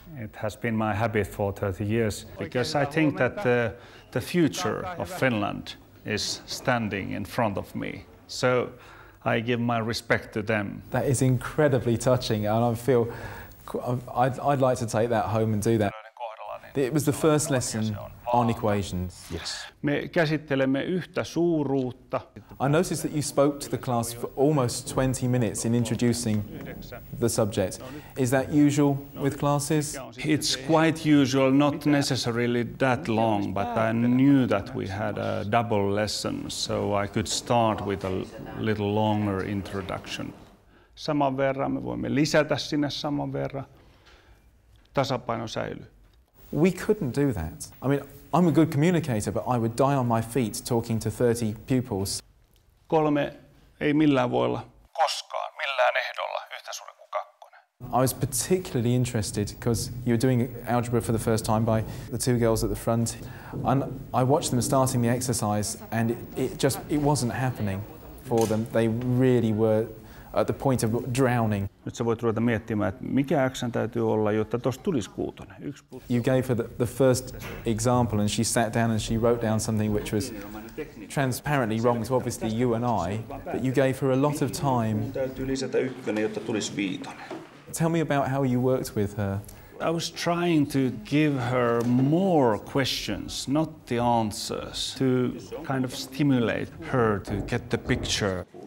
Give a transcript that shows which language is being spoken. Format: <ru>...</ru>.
<en>It has been my habit for 30 years, because I think that the future of Finland is standing in front of me. So I give my respect to them. That is incredibly touching, and I feel I'd like to take that home and do that. It was the first lesson on equations. Yes.</en> <fi>Me käsittelemme yhtä suuruutta.</fi> <en>I noticed that you spoke to the class for almost 20 minutes in introducing the subject. Is that usual with classes? It's quite usual, not necessarily that long, but I knew that we had a double lesson, so I could start with a little longer introduction.</en> <fi>Saman verran me voimme lisätä sinne saman verran. Tasapaino säilyy.</fi> <en>We couldn't do that. I mean, I'm a good communicator, but I would die on my feet talking to 30 pupils.</en> <fi>Kolme ei millään voi olla koskaan, millään ehdolla yhtä suuri kuin kakkonen.</fi> <en>I was particularly interested because you were doing algebra for the first time by the two girls at the front. And I watched them starting the exercise, and it wasn't happening for them. They really were at the point of drowning.</en> <fi>Nyt sä voit ruveta miettimään, että mikä äksän täytyy olla, jotta tosta tulisi kuutonen.</fi> <en>You gave her the first example and she sat down and she wrote down something which was transparently wrong to obviously you and I, but you gave her a lot of time.</en> <fi>Täytyy lisätä ykkönen, jotta tulisi viitonen.</fi> <en>Tell me about how you worked with her. I was trying to give her more questions, not the answers, to kind of stimulate her to get the picture.</en>